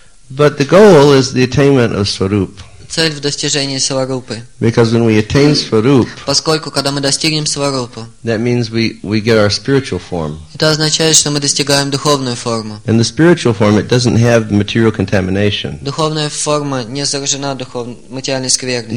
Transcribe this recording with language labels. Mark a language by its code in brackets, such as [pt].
[en] But the goal is the attainment of swarup. [ru] Цель в достижении сварупы. [en] Because when we attain swarup, [ru] поскольку когда мы достигнем сварупу, [en] that means we get our spiritual form. [ru] Это означает, что мы достигаем духовную форму. [en] In the spiritual form, it doesn't have material contamination. [ru] Духовная форма не заражена материальной скверной.